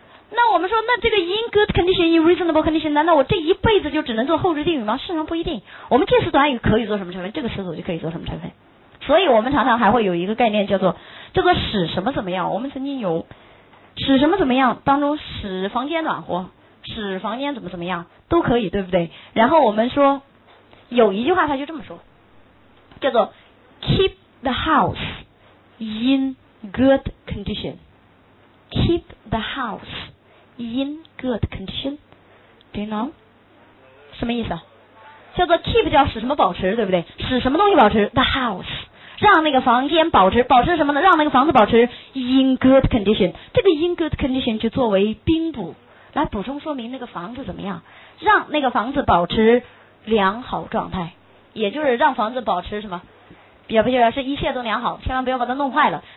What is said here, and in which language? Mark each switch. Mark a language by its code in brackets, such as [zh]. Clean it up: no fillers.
[zh] 那我们说，那这个 in good condition, in reasonable condition, 难道我这一辈子就只能做后置定语吗？事实上不一定。我们介词短语可以做什么成分，这个词组就可以做什么成分。所以我们常常还会有一个概念叫做使什么怎么样。我们曾经有使什么怎么样当中，使房间暖和，使房间怎么怎么样都可以，对不对？然后我们说有一句话，他就这么说，叫做 [en] keep the house in good condition, keep the house in good condition, do you know? [zh] 什么意思？叫做 keep 叫使什么保持，对不对？使什么东西保持 the house,让那个房间保持，保持什么呢？让那个房子保持 in good condition, 这个 in good condition 就作为宾补来补充说明那个房子怎么样，让那个房子保持良好状态，也就是让房子保持什么，也不就是一切都良好，千万不要把它弄坏了。